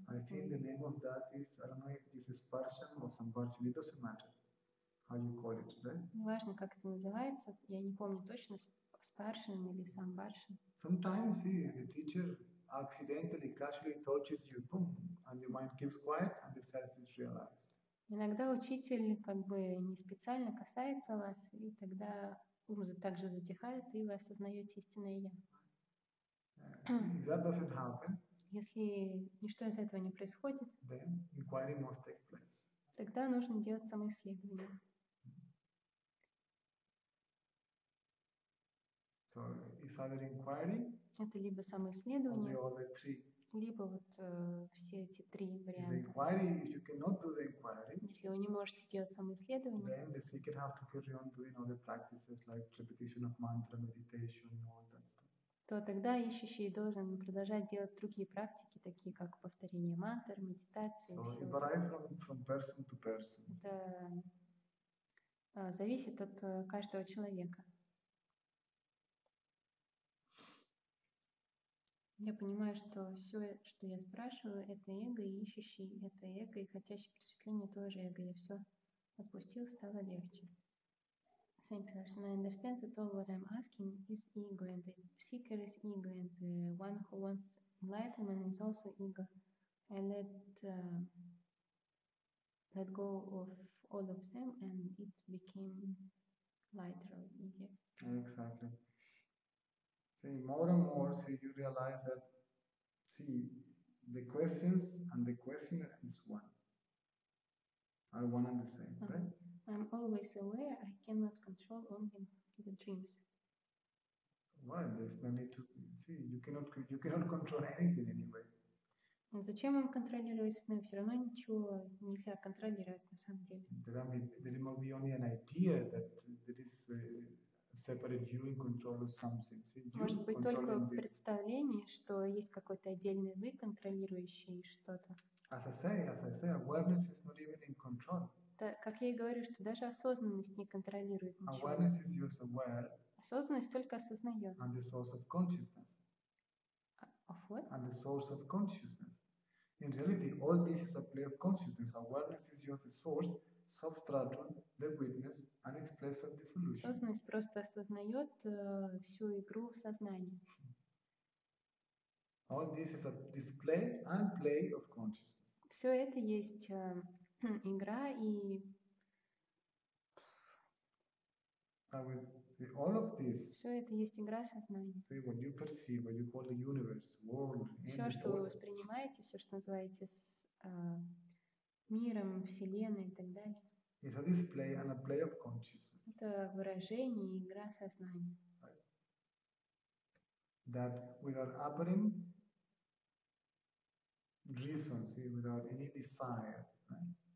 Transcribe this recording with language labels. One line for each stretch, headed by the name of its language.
English: I think the name of that is, I don't know if this is parsham or sambarsham, it doesn't matter how you call it, right?
Russian: Неважно, как это называется, я не помню точно, спаршан или самбаршан.
English: Sometimes, see, the teacher accidentally, casually touches you, boom, and your mind keeps quiet, and the self is realized.
Russian: Иногда учитель как бы не специально касается вас, и тогда ум также затихает, и вы осознаете истинное я.
English: If that doesn't happen,
Russian: если ничто из этого не происходит,
English: then inquiry must take place.
Russian: Тогда нужно делать самоисследование.
English: So it's either inquiry.
Russian: Это либо самоисследование,
English: three,
Russian: либо вот все эти три варианта.
English: Inquiry,
Russian: если вы не можете делать самоисследование,
English: then the seeker have to carry on doing other practices like repetition of mantra, meditation, all that stuff.
Russian: То тогда ищущий должен продолжать делать другие практики, такие как повторение мантр, медитация.
English: So it varies from person to person.
Russian: Это зависит от каждого человека. Я понимаю, что все, что я спрашиваю, это эго, и ищущий это эго, и хотящий просветление тоже эго. Я все отпустил, стало легче.
English: Same person. I understand that all what I'm asking is ego, and the seeker is ego, and the one who wants enlightenment is also ego. I let go of all of them, and it became lighter or easier. Exactly. See, more and more, see, you realize that, see, the questions and the questioner is one. Are one and the same, right? I'm always aware I cannot control only the dreams. Why? There's no need to see. You cannot control anything anyway.
Russian: Зачем им контролировать сны? Все равно ничего нельзя контролировать на самом деле.
English: There might be only an idea that there is separate you in control of something. See, you
Russian: может быть только
English: this.
Russian: Представление, что есть какой-то отдельный вы, контролирующий что-то.
English: As I say, awareness is not even in control.
Russian: Как я и говорю, что даже осознанность не контролирует ничего.
English: Awareness is just aware.
Russian: Осознанность только осознает.
English: And the source of consciousness. Of what? And the source of consciousness. In reality, all this is a play of consciousness. Awareness is just the source, substratum, the witness, and its place of dissolution.
Russian: Осознанность просто осознает всю игру в сознании.
English: All this is a display and play of consciousness.
Russian: Все это есть игра и.
English: All of this.
Russian: Все это есть игра сознания.
English: See, what you perceive, what you call the universe, world,
Russian: все, что вы воспринимаете, все, что называете с миром, вселенной и так далее.
English: It's a display and a play of consciousness.
Russian: Это выражение и игра сознания.
English: Right. That without apparent reason, see, without any desire, right?